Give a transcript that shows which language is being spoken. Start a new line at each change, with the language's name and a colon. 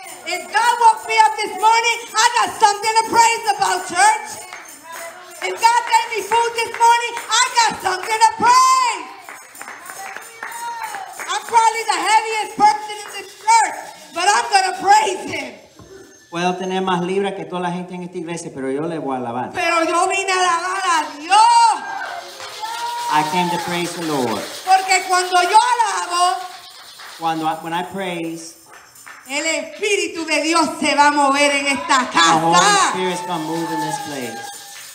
English: If God woke me up this morning, I got something to praise about, church. If God gave me food this morning, I got something to praise. I'm probably the heaviest person in this church, but I'm going to praise him.
Spanish: Puedo tener más libras que toda la gente en esta iglesia, pero yo le voy a alabar. Pero yo vine a alabar a Dios.
English: I came to praise the Lord.
Spanish: Porque cuando yo alabo, cuando
English: when I praise,
Spanish: el Espíritu de Dios se va a mover en esta casa.
English: The Holy Spirit is going to move in this place.